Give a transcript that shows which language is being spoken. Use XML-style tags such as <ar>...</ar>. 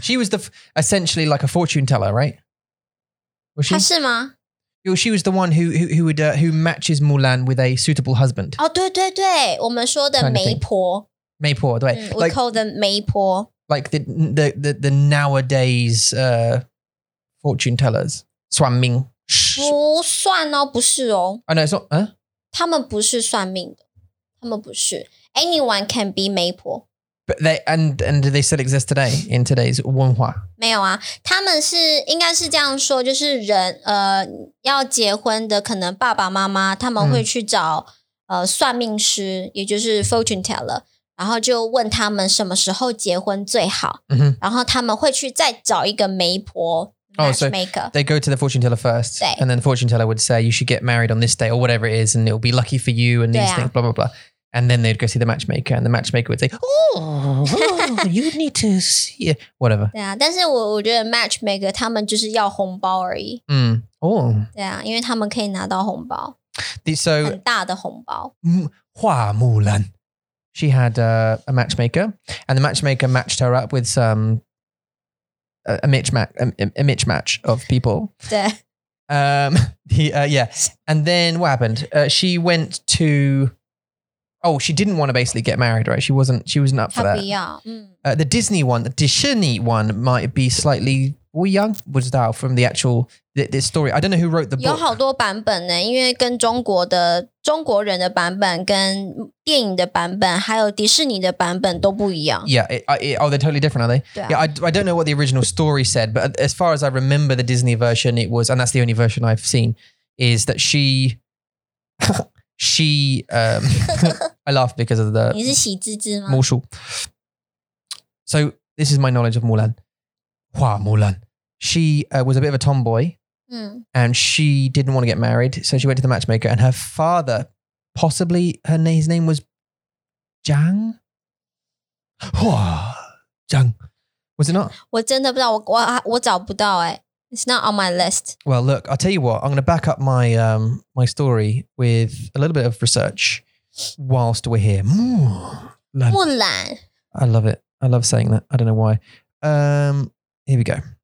<en>She was the, essentially like a fortune teller, right? Was she?</en> <zh>他是吗?</zh> <en>She was the one who matches Mulan with a suitable husband.</en> <zh>哦,对对对,我们说的媒婆。媒婆,对。</zh> <en>We call them 媒婆。 Like the nowadays fortune tellers. 算命。</en> <zh>不算哦，不是哦。啊，那你说，嗯？他们不是算命的，他们不是。</zh> <en>Anyone can be 媒婆。 But they and do they still exist today in today's 文化？</en> <zh>没有啊，他们是应该是这样说，就是人要结婚的，可能爸爸妈妈他们会去找算命师，也就是 fortune teller， 然后就问他们什么时候结婚最好。嗯、然后他们会去再找一个媒婆。</zh> <en>Oh, so they go to the fortune teller first, and then the fortune teller would say, you should get married on this day or whatever it is, and it'll be lucky for you and these things, blah, blah, blah. And then they'd go see the matchmaker, and the matchmaker would say, oh, you need to see it. Whatever.</en> <zh>对啊,但是我觉得 matchmaker 他们就是要红包而已。对啊,因为他们可以拿到红包。</zh> <en>So,</en> <zh>很大的红包。花木兰。</zh> <en>She had a matchmaker, and the matchmaker matched her up with some... A mismatch of people. And then what happened? She went to Oh, she didn't want to basically get married, right? She wasn't up for that. The Disney one, the Disney one might be slightly... We young was that from the actual this story. I don't know who wrote the book.</en> <zh>有好多版本呢，因为跟中国的版本、跟电影的版本，还有迪士尼的版本都不一样。</zh> <en>Yeah, they're totally different, are they? Yeah, I don't know what the original story said, but as far as I remember, the Disney version it was, and that's the only version I've seen, is that she I laugh because of the</en> <zh>你是喜滋滋吗？魔术.</zh> <en>So this is my knowledge of Mulan. Hua Mulan. She was a bit of a tomboy and she didn't want to get married. So she went to the matchmaker and her father, possibly his name was Zhang? Zhang. Was it not?</en> <zh>我真的不知道,我找不到欸.</zh> <en>It's not on my list. Well, look, I'll tell you what. I'm going to back up my my story with a little bit of research whilst we're here. Mulan. I love it. I love saying that. I don't know why. Here we go.</en>